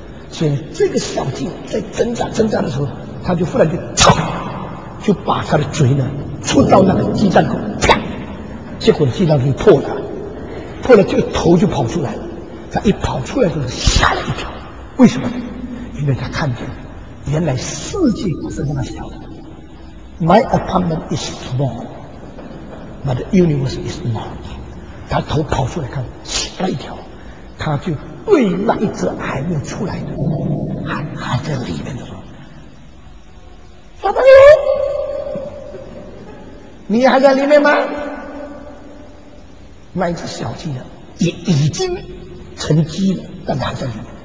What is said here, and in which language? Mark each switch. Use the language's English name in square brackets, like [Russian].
[Chinese] 所以这个小鸡在挣扎挣扎的时候，他就忽然就嚓，就把他的嘴呢戳到那个鸡蛋口，啪，结果鸡蛋就破了，破了这个头就跑出来了。他一跑出来的时候吓了一跳，为什么？因为他看见了。原来世界不是那么小的。 [English] My apartment is small, but the universe is not. [Chinese] 他头跑出来看，吓了一跳，他就对那一只还没有出来的，还在里面的说：“小朋友，你还在里面吗？” 那一只小鸡呢，也已经成鸡了，但还在里面。